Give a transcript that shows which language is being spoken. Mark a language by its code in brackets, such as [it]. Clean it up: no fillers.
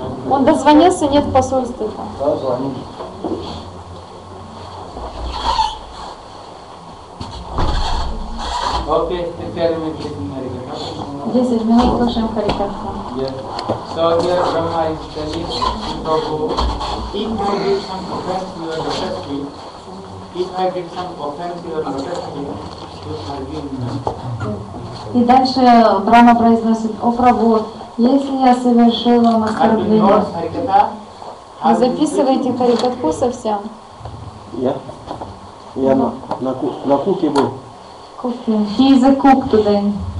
[ru] Он дозвонился, нет посольства. Да, звонит. Окей, теперь мы будем Харикатху. 10 минут слушаем Харикатху. [en] So here Brahma is telling Shri Prabhu, if I did some offense to your lotus feet, if I did some offense to your lotus feet, you forgive me. [ru] И дальше Брама произносит, о Прабху, если я совершил вам оскорбление, вы записываете харикатху совсем? Я на куке был. [en] He is a cook today.